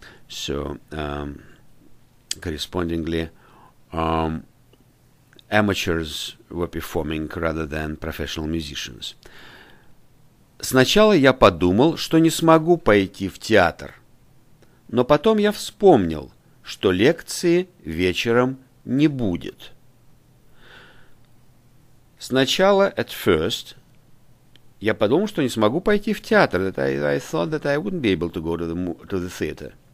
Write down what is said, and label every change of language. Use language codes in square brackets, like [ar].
[en] So, correspondingly, amateurs were performing rather than professional musicians. [ru] Сначала я подумал, что не смогу пойти в театр. Но потом я вспомнил, что лекции вечером не будет. Сначала, [en] at first, [ru] Я подумал, что не смогу пойти в театр. [en] I thought that I wouldn't be able to go to the theater.